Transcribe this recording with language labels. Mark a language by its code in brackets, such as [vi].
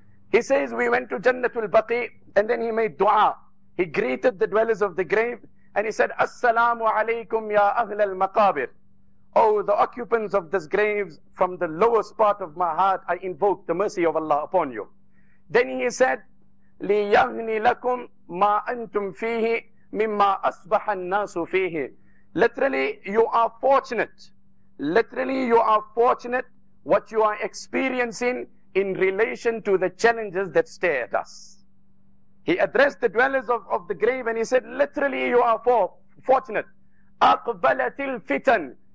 [en] He says, we went to Jannatul Baqi, and then he made dua. He greeted the dwellers of the grave, and he said, Assalamu alaykum ya ahl al maqabir. Oh, the occupants of this grave, from the lowest part of my heart, I invoke the mercy of Allah upon you. Then he said, [ar] لِيَغْنِ لَكُمْ مَا أَنْتُمْ فِيهِ مِمَّا أَصْبَحَ النَّاسُ فِيهِ. [en] Literally, you are fortunate. Literally, you are fortunate what you are experiencing in relation to the challenges that stare at us. He addressed the dwellers of the grave and he said, literally, you are fortunate. [ar] أَقْبَلَتِ الْفِتَنِ.